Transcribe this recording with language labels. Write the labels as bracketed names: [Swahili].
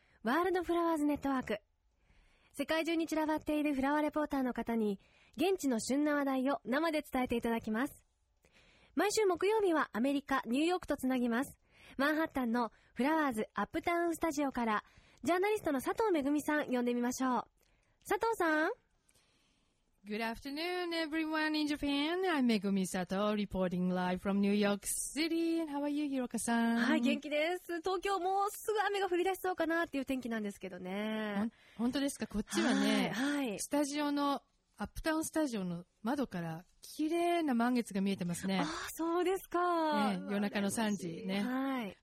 [Japanese] ワールドフラワーズネットワーク。世界中に散らばっているフラワーレポーターの方に現地の旬な話題を生で伝えていただきます。毎週木曜日はアメリカ・ニューヨークとつなぎます。マンハッタンのフラワーズアップタウンスタジオからジャーナリストの佐藤めぐみさん呼んでみましょう。佐藤さん。 [English] Good afternoon everyone in Japan. I'm Megumi Sato reporting live from New York City. How are you, Hiroka-san? [Japanese] はい、元気です。東京もうすぐ雨が降り出しそうかなっていう天気なんですけどね。本当ですか？こっちはね、はいはい、スタジオのアップタウンスタジオの窓から綺麗な満月が見えてますね。あ、そうですか、ね、夜中の3時ね。はい、